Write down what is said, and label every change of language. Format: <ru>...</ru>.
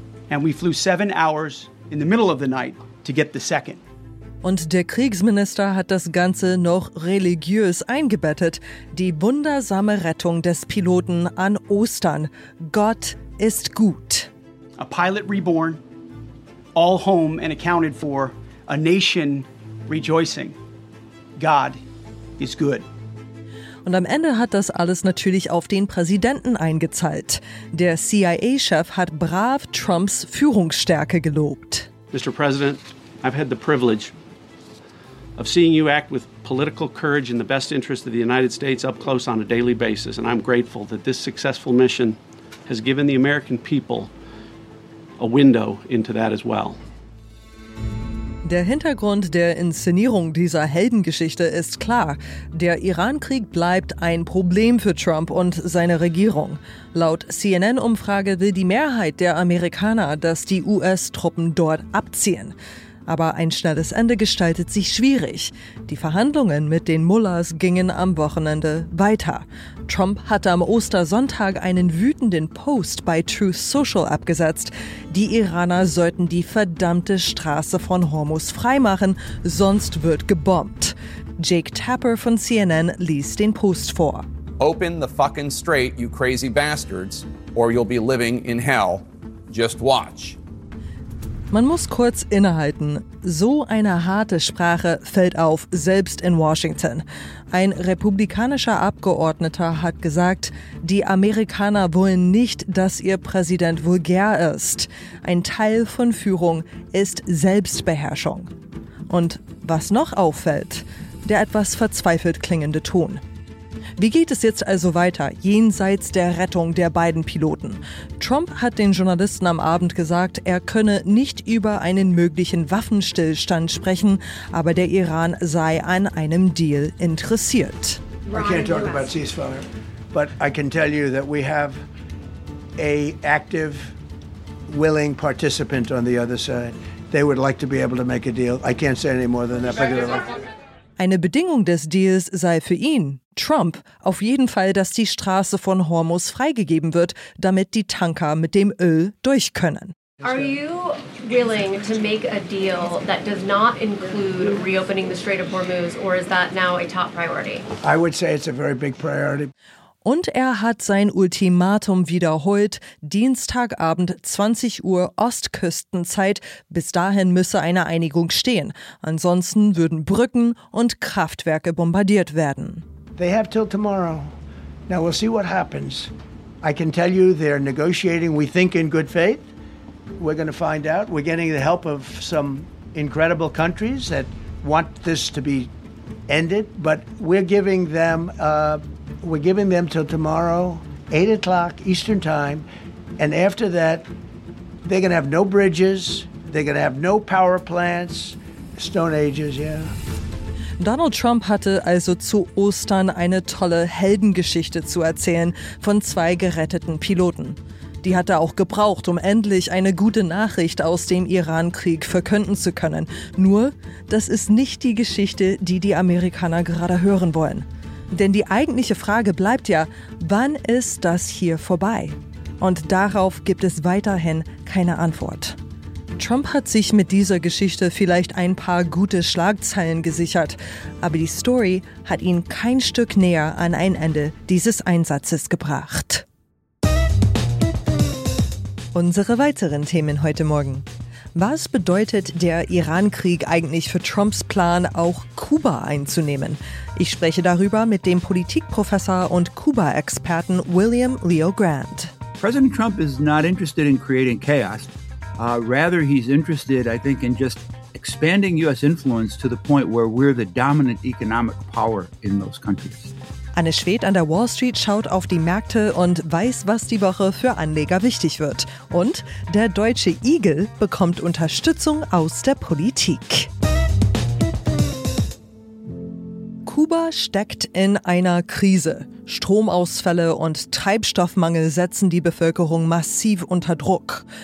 <en>And we flew 7 hours in the middle of the night to get the second.</en> <de>Und der Kriegsminister hat das Ganze noch religiös eingebettet. Die wundersame Rettung des Piloten an Ostern. Gott ist gut.</de> <en>A pilot reborn, all home and accounted for, a nation rejoicing. God is good.</en> <de>Und am Ende hat das alles natürlich auf den Präsidenten eingezahlt. Der CIA-Chef hat brav Trumps Führungsstärke gelobt.</de> <en>Mr. President, I've had the privilege of seeing you act with political courage in the best interest of the United States up close on a daily basis, and I'm grateful that this successful mission has given the American people a window into that as well.</en> <de>Der Hintergrund der Inszenierung dieser Heldengeschichte ist klar. Der Irankrieg bleibt ein Problem für Trump und seine Regierung. Laut CNN-Umfrage will die Mehrheit der Amerikaner, dass die US-Truppen dort abziehen. Aber ein schnelles Ende gestaltet sich schwierig. Die Verhandlungen mit den Mullahs gingen am Wochenende weiter. Trump hatte am Ostersonntag einen wütenden Post bei Truth Social abgesetzt. Die Iraner sollten die verdammte Straße von Hormuz freimachen, sonst wird gebombt. Jake Tapper von CNN liest den Post vor.</de> <en>Open the fucking strait, you crazy bastards, or you'll be living in hell. Just watch.</en> <de>Man muss kurz innehalten. So eine harte Sprache fällt auf, selbst in Washington. Ein republikanischer Abgeordneter hat gesagt, die Amerikaner wollen nicht, dass ihr Präsident vulgär ist. Ein Teil von Führung ist Selbstbeherrschung. Und was noch auffällt, der etwas verzweifelt klingende Ton. Wie geht es jetzt also weiter, jenseits der Rettung der beiden Piloten? Trump hat den Journalisten am Abend gesagt, er könne nicht über einen möglichen Waffenstillstand sprechen, aber der Iran sei an einem Deal interessiert.</de> <en>I can't talk about ceasefire, but I can tell you that we have a active, willing participant on the other side. They would like to be able to make a deal. I can't say any more than that.</en> <de>Eine Bedingung des Deals sei für ihn, Trump, auf jeden Fall, dass die Straße von Hormuz freigegeben wird, damit die Tanker mit dem Öl durch können.</de> <en>Are you willing to make a deal that does not include reopening the Strait of Hormuz, or is that now a top priority? I would say it's a very big priority.</en> <de>Und er hat sein Ultimatum wiederholt, Dienstagabend 20 Uhr Ostküstenzeit, bis dahin müsse eine Einigung stehen. Ansonsten würden Brücken und Kraftwerke bombardiert werden.</de> <en>They have till tomorrow. Now we'll see what happens. I can tell you they're negotiating, we think in good faith. We're going to find out. We're getting the help of some incredible countries that want this to be ended. But we're giving them till tomorrow, 8 o'clock Eastern time. And after that, they're going to have no bridges. They're going to have no power plants. Stone ages, yeah.</en> <de>Donald Trump hatte also zu Ostern eine tolle Heldengeschichte zu erzählen von zwei geretteten Piloten. Die hat er auch gebraucht, um endlich eine gute Nachricht aus dem Irankrieg verkünden zu können. Nur, das ist nicht die Geschichte, die die Amerikaner gerade hören wollen. Denn die eigentliche Frage bleibt ja, wann ist das hier vorbei? Und darauf gibt es weiterhin keine Antwort. Trump hat sich mit dieser Geschichte vielleicht ein paar gute Schlagzeilen gesichert, aber die Story hat ihn kein Stück näher an ein Ende dieses Einsatzes gebracht. Unsere weiteren Themen heute Morgen. Was bedeutet der Iran-Krieg eigentlich für Trumps Plan, auch Kuba einzunehmen? Ich spreche darüber mit dem Politikprofessor und Kuba-Experten William Leo Grant.</de> <en>President Trump is not interested in creating chaos. Rather, he's interested, I think, in just expanding U.S. influence to the point where we're the dominant economic power in those countries.</en> <de>Anne Schwedt an der Wall Street schaut auf die Märkte und weiß, was die Woche für Anleger wichtig wird. Und der deutsche Igel bekommt Unterstützung aus der Politik. Kuba steckt in einer Krise. Stromausfälle und Treibstoffmangel setzen die Bevölkerung massiv unter Druck.</de>